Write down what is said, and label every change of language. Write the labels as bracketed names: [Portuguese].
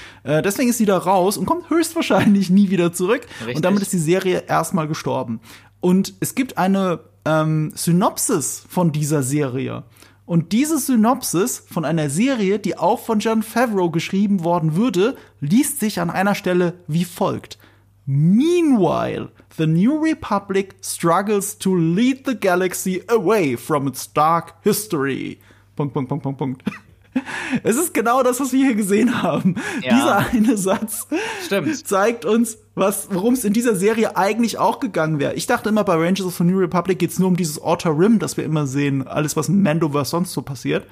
[German] Deswegen ist sie da raus und kommt höchstwahrscheinlich nie wieder zurück. Richtig. Und damit ist die Serie erstmal gestorben. Und es gibt eine Synopsis von dieser Serie. Und diese Synopsis von einer Serie, die auch von Jon Favreau geschrieben worden würde, liest sich an einer Stelle wie folgt. [English] Meanwhile, the New Republic struggles to lead the galaxy away from its dark history. [German] Punkt, Punkt, Punkt, Punkt, Punkt. Es ist genau das, was wir hier gesehen haben. Ja. Dieser eine Satz zeigt uns, worum es in dieser Serie eigentlich auch gegangen wäre. Ich dachte immer, bei Rangers of the New Republic geht es nur um dieses Outer Rim, das wir immer sehen, alles, was in Mandoverse sonst so passiert.